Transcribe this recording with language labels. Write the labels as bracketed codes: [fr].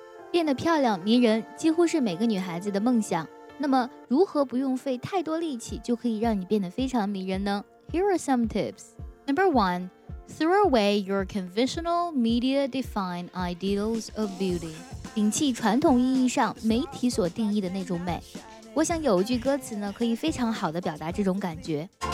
[zh] 变得漂亮迷人几乎是每个女孩子的梦想。那么如何不用费太多力气就可以让你变得非常迷人呢？ [en] Here are some tips. Number one, throw away your conventional media defined ideals of beauty. [zh] 摒弃传统意义上媒体所定义的那种美。我想有一句歌词呢可以非常好的表达这种感觉。